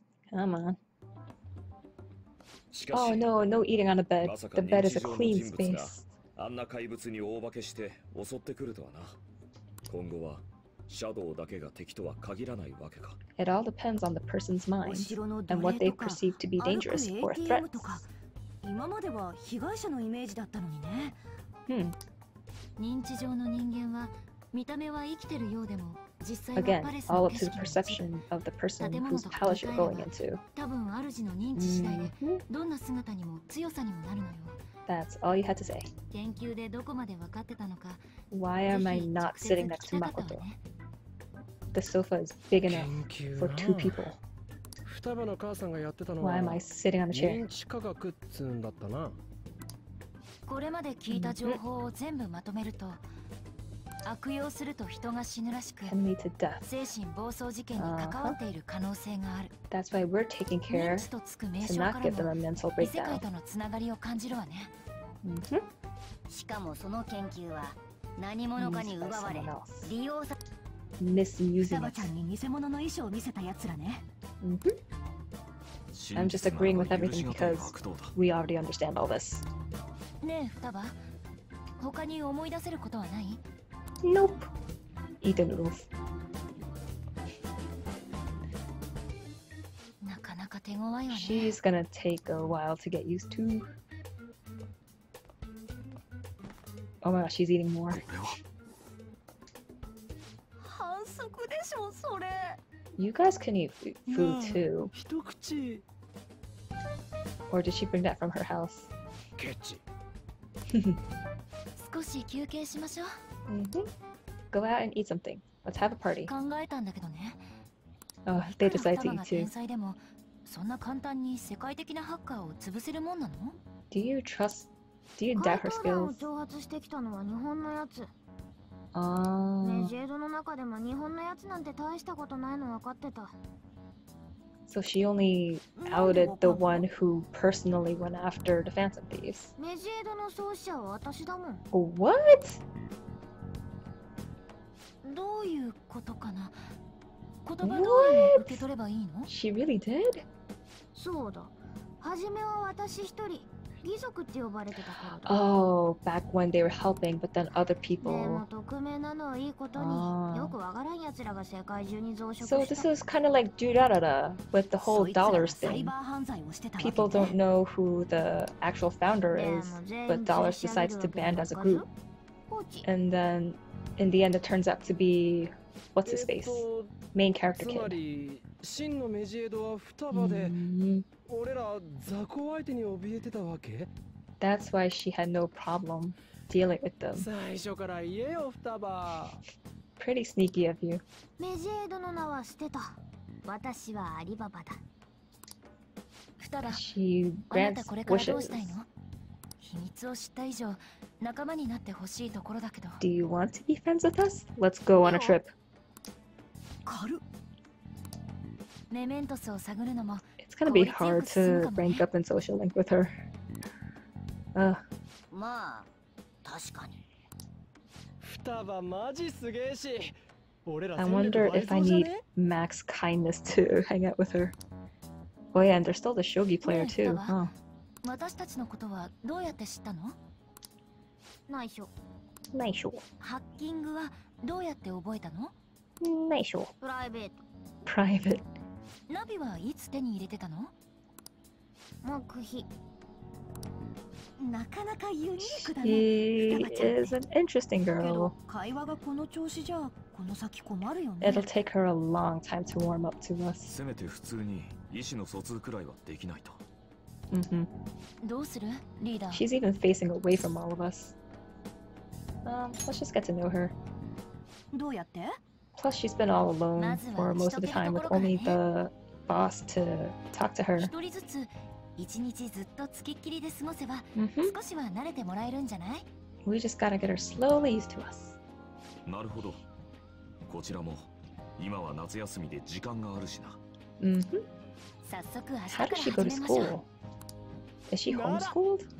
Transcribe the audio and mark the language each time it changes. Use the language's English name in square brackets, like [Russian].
[English] Come on. Oh no, no eating on a bed. The bed is a clean space. [Japanese] あんな怪物に大化けして襲ってくるとはな。今後はシャドウだけが敵とは限らないわけか。 [English] It all depends on the person's mind and what they perceive to be dangerous or a threat. [Japanese] 今までは被害者のイメージだったのにね。認知症の人間は見た目は生きてるようでも実際はパレスの景色。 [English] Again, all up to the perception of the person whose palace you're going into. [Japanese] 多分主の認知次第でどんな姿にも強さにもなるのよ。 [English] That's all you had to say. [Japanese] 研究でどこまで分かってたのか。 [English] Why am I not sitting next to Makoto? The sofa is big enough for two people. [Japanese] ふたばの母さんがやってたの [English] は。Why am I sitting on the chair? [Japanese] 認知科学っつんだったな。これまで聞いた情報を全部まとめると、悪用すると人が死ぬらしく、精神暴走事件に関わっている可能性がある。 [English] That's why we're taking care to not give them a mental breakdown. [Japanese] 異世界とのつながりを感じるわね。しかもその研究は何者かに奪われ、利用さ、 [English] Misusing。 [Japanese] ふたばちゃんに偽物の衣装を見せたやつらね。 [English] I'm just agreeing with everything because we already understand all this. [Japanese] ねえ、ふたば、他に思い出せることはない？ [English] Nope. Eat the noodles. [Japanese] なかなか手ごわいよね。 [English] She's gonna take a while to get used to. Oh my god, she's eating more. [Japanese] これは。反則でしょ、それ。 [English] You guys can eat food too. [Japanese] 一口。 [English] Or did she bring that from her house? [Japanese] ケチ。少し休憩しましょう。 [English] Go out and eat something. Let's have a party. [Japanese] 考えたんだけどね。 [English] They decide to eat too. [Japanese] 天才でもそんな簡単に世界的なハッカーを潰せるもんなの？ [English] Do you trust? Do you doubt her skills? 怪盗 [Japanese] 団を挑発してきたのは日本のやつ。ね、ジェードの中でも日本のやつなんて大したことないの分かってた。 [English] So she only outed the one who personally went after the Phantom Thieves. [Japanese] ネジエドの創始者は私だもん。 [English] What? [Japanese] どういうことかな。言葉通りに受け取ればいいの。 [English] She really did? [Japanese] そうだ。はじめは私一人、義足って呼ばれてたからだ。 [English] Oh, back when they were helping, but then other people. [Japanese] でも匿名なのはいいことに、よくわからん奴らが世界中に増殖した。 [English] So this is kind of like Dudarara with the whole dollars thing. People don't know who the actual founder is, but dollars decides to band as a group. And then in the end, it turns out to be what's his face, main character kid. つまり [Japanese] 真のメジエドはふたばで。俺ら雑魚相手に怯えてたわけ。 [English] That's why she had no problem dealing with them. [Japanese] 最初から言えよ、ふたば。 [English] Pretty sneaky of you. [Japanese] メジエドの名は捨てた。私はアリババだ。ふたば、あなたこれからどうしたいの？秘密を知った以上、仲間になってほしいところだけど。 [English] Do you want to be friends with us? Let's go on a trip. [Japanese] 軽っ。メメントスを探るのも。 [English] It's gonna be hard to rank up in social link with her. [Japanese] まあ、確かに。ふたばマジすげえし。 [English] I wonder if I need Max kindness to hang out with her. Oh yeah, and there's still the shogi player too, huh? [Japanese] 私たちのことはどうやって知ったの？内緒。内緒。ハッキングはどうやって覚えたの？内緒。プライベート。プライベート。ナビはいつ手に入れてたの？黙秘。なかなかユニークだね。 [English] She is an interesting girl. [Japanese] 会話がこの調子じゃこの先困るよね。 [English] It'll take her a long time to warm up to us. [Japanese] せめて普通に意思の疎通くらいはできないと。どうする？リーダー。 [English] She's even facing away from all of us. Let's just get to know her. [Japanese] どうやって？ [English] Plus, she's been all alone for most of the time with only the boss to talk to her. [Japanese] 一人ずつ、一日ずっと付きっきりで過ごせば、少しは慣れてもらえるんじゃない？ [English] We just gotta get her slowly used to us. [Japanese] なるほど。こちらも、今は夏休みで時間があるしな。早速、 [English] How did she go to school? Is she homeschooled?